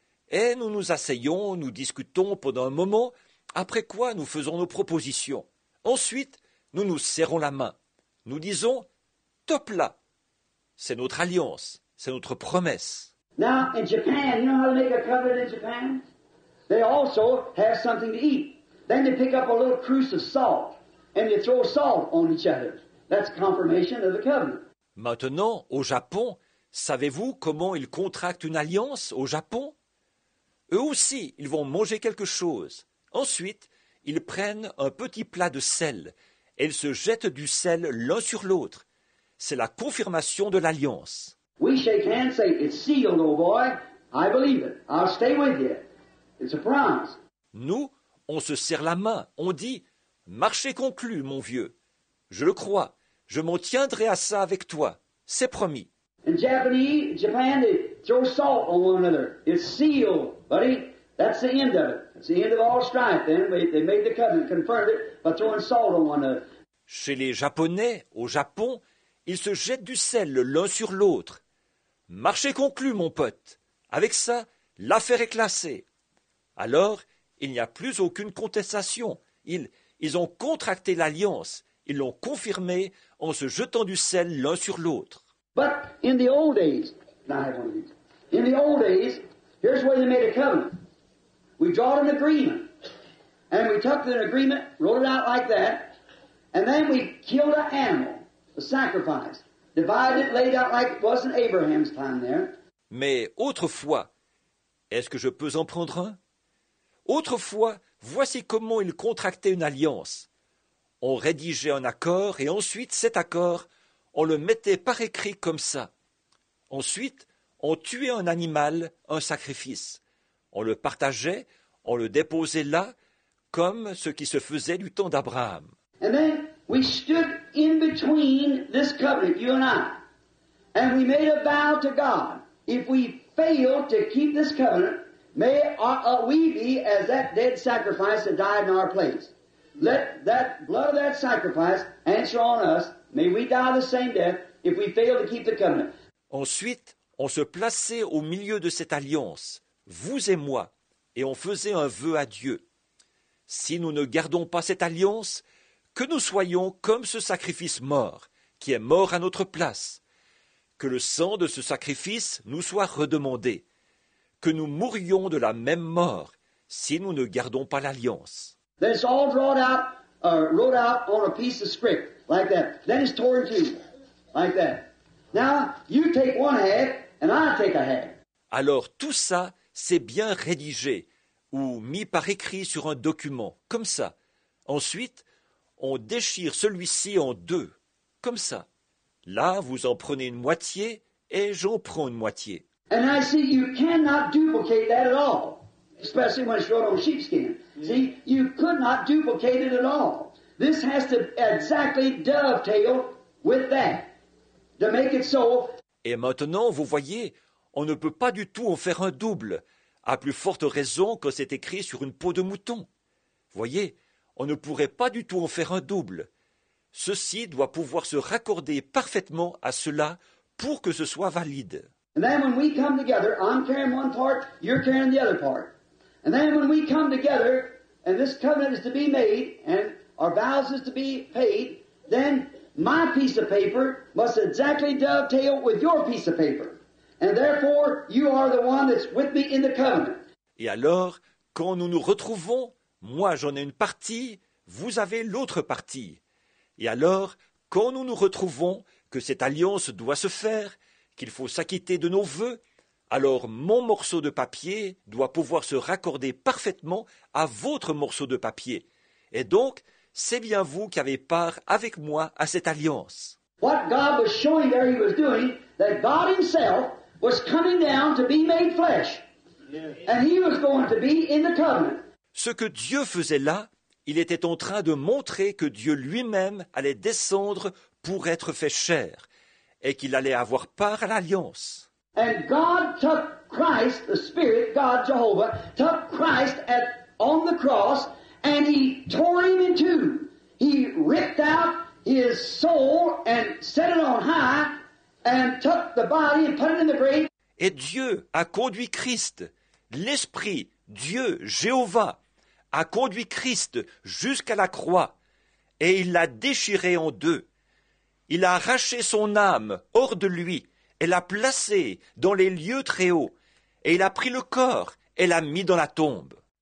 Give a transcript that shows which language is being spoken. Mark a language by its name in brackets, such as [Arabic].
[French] Et nous nous asseyons, nous discutons pendant un moment, après quoi nous faisons nos propositions. Ensuite, nous nous serrons la main. Nous disons, top là, c'est notre alliance, c'est notre promesse. [English] Now, in Japan, you know how to make a covenant in Japan? They also have something to eat. Then they pick up a little cruse of salt, and they throw salt on each other. That's confirmation of the covenant. [French] Maintenant, au Japon, savez-vous comment ils contractent une alliance au Japon? Eux aussi, ils vont manger quelque chose. Ensuite, ils prennent un petit plat de sel. Et ils se jettent du sel l'un sur l'autre. C'est la confirmation de l'alliance. [English] We shake hands, say, it's sealed, old boy. I believe it. I'll stay with you. It's a promise. [French] Nous, on se serre la main. On dit, marché conclu, mon vieux. Je le crois. Je m'en tiendrai à ça avec toi. C'est promis. [English] In Japan, they throw salt on one another. It's sealed, buddy. That's the end of it. It's the end of all strife. Then they made the covenant, confirmed it by throwing salt on one another. [French] Chez les Japonais, au Japon, ils se jettent du sel l'un sur l'autre. Marché conclu, mon pote. Avec ça, l'affaire est classée. Alors, il n'y a plus aucune contestation. Ils ont contracté l'alliance. Ils l'ont confirmé en se jetant du sel l'un sur l'autre. [English] But in the old days, now I have one of these. In the old days, here's where they made a covenant. We draw an agreement, and we took the agreement, wrote it out like that, and then we killed an animal, a sacrifice, divided it, laid out like it was in Abraham's time there. [French] Mais autrefois, est-ce que je peux en prendre un? Autrefois, voici comment ils contractaient une alliance. On rédigeait un accord, et ensuite cet accord, on le mettait par écrit comme ça. Ensuite, on tuait un animal, un sacrifice. On le partageait, on le déposait là, comme ce qui se faisait du temps d'Abraham. [English] And then we stood in between this covenant, you and I. And we made a vow to God. If we fail to keep this covenant, may we be as that dead sacrifice that died in our place. Let that blood of that sacrifice answer on us. May we die the same death if we fail to keep the covenant. [French] Ensuite, on se plaçait au milieu de cette alliance, vous et moi, et on faisait un vœu à Dieu. Si nous ne gardons pas cette alliance, que nous soyons comme ce sacrifice mort, qui est mort à notre place. Que le sang de ce sacrifice nous soit redemandé. que nous mourions de la même mort si nous ne gardons pas l'alliance. [English] Then it's all drawn out, wrote out on a piece of script, like that. Then it's torn to you, like that. Now, you take one half, and I take a half. [French] Alors, tout ça, c'est bien rédigé, ou mis par écrit sur un document, comme ça. Ensuite, on déchire celui-ci en deux, comme ça. Là, vous en prenez une moitié, et j'en prends une moitié. [English] And I see you cannot duplicate that at all. Especially when it's wrote on sheepskin. See, you could not duplicate it at all. This has to exactly dovetail with that to make it so. [French] Et maintenant, vous voyez, on ne peut pas du tout en faire un double, à plus forte raison que c'est écrit sur une peau de mouton. Voyez, on ne pourrait pas du tout en faire un double. Ceci doit pouvoir se raccorder parfaitement à cela pour que ce soit valide. [English] And then when we come together, I'm carrying one part, you're carrying the other part. And then when we come together, and this covenant is to be made, and our vows is to be paid, then my piece of paper must exactly dovetail with your piece of paper. And therefore, you are the one that's with me in the covenant. [French] Et alors, quand nous nous retrouvons, moi j'en ai une partie, vous avez l'autre partie. Et alors, quand nous nous retrouvons, que cette alliance doit se faire, qu'il faut s'acquitter de nos vœux, alors mon morceau de papier doit pouvoir se raccorder parfaitement à votre morceau de papier. Et donc, c'est bien vous qui avez part avec moi à cette alliance. [English] What God was showing there he was doing, that God himself was coming down to be made flesh. And he was going to be in the covenant. [French] Ce que Dieu faisait là, il était en train de montrer que Dieu lui-même allait descendre pour être fait chair et qu'il allait avoir part à l'alliance. [English] And God took Christ, the Spirit, God Jehovah, took Christ at on the cross, and he tore him in two. He ripped out his soul and set it on high, and took the body and put it in the grave. [French] Et Dieu a conduit Christ, l'Esprit, Dieu, Jéhovah, a conduit Christ jusqu'à la croix, et il l'a déchiré en deux. Il a arraché son âme hors de lui. Elle l'a placé dans les lieux très hauts, et il a pris le corps et l'a mis dans la tombe.